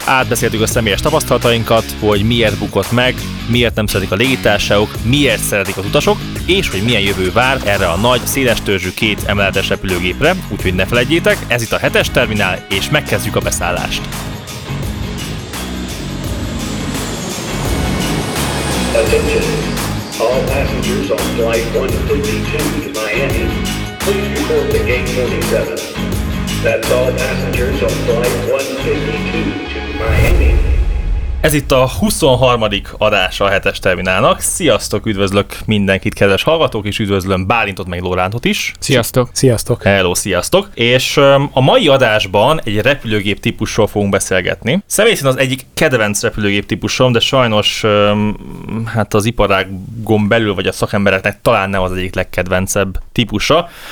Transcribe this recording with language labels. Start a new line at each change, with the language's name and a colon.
Hungarian: Átbeszéltük a személyes tapasztalatainkat, hogy miért bukott meg, miért nem szeretik a légitársaságok, miért szeretik az utasok, és hogy milyen jövő vár erre a nagy, széles törzsű két emeletes repülőgépre, úgyhogy ne feledjétek, ez itt a hetes terminál, és megkezdjük a beszállást.
English: Attention, all passengers on flight 152 to Miami, please report to gate 27. That's all passengers on flight 152 to Miami.
Hungarian: Ez itt a 23. adása a hetes terminálnak. Sziasztok, üdvözlök mindenkit, kedves hallgatók, és üdvözlöm Bálintot meg Lórántot is. Sziasztok. Sziasztok. Hello, sziasztok. És a mai adásban egy repülőgép típusról fogunk beszélgetni. Személy szerint az egyik kedvenc repülőgép típusom, de sajnos hát az iparágon belül, vagy a szakembereknek talán nem az egyik legkedvencebb típusa.